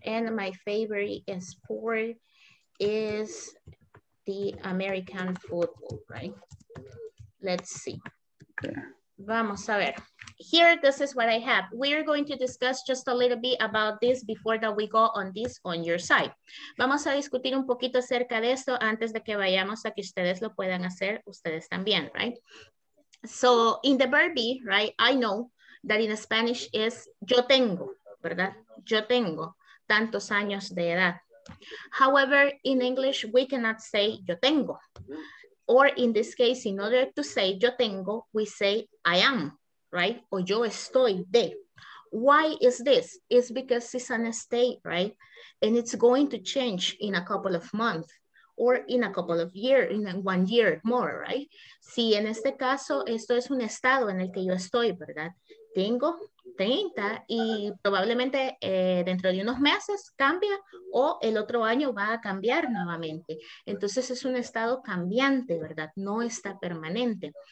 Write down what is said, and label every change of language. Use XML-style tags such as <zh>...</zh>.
<en>And my favorite sport is the American football, right? Let's see. Vamos a ver. Here, this is what I have. We're going to discuss just a little bit about this before that we go on this on your side.</en> <es>Vamos a discutir un poquito acerca de esto antes de que vayamos a que ustedes lo puedan hacer ustedes también, right?</es> <en>So in the verb be, right? I know that in Spanish is yo tengo, ¿verdad?</en> <es>Yo tengo tantos años de edad. However, in English, we cannot say yo tengo.</es> <en>Or in this case, in order to say yo tengo, we say I am, right? O yo estoy de. Why is this? It's because it's an state, right? And it's going to change in a couple of months or in a couple of years, in 1 year more, right?</en> <es>Si en este caso, esto es un estado en el que yo estoy, ¿verdad? Tengo 30 y probablemente dentro de unos meses cambia o el otro año va a cambiar nuevamente. Entonces es un estado cambiante, ¿verdad? No está permanente.</es>